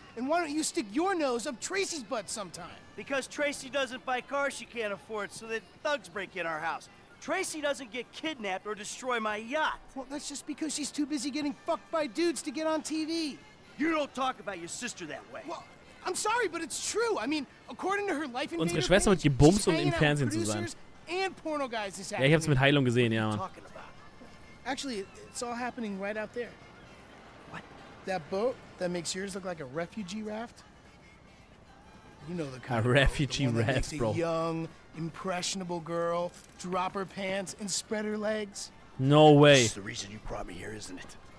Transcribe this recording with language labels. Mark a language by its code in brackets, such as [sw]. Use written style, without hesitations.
[en] And why don't you stick your nose up Tracy's butt sometime? Because Tracy doesn't buy cars she can't afford so that thugs break in our house. Tracy doesn't get kidnapped or destroy my yacht. Well, that's just because she's too busy getting fucked by dudes to get on TV. You don't talk about your sister that way. Well, I'm sorry, but it's true. I mean, according to her Life Invader, [de] unsere Schwester wird gebumst, um im Fernsehen zu sein. Ja, ich hab's mit Heilung gesehen, ja, Mann. [en] Actually, it's all happening right out there. What? That boat that makes yours look like a refugee raft? You know the kind. A refugee raft, bro. Young, impressionable girl, drop her pants and spread her legs. No way. That's the reason you brought me here, isn't it?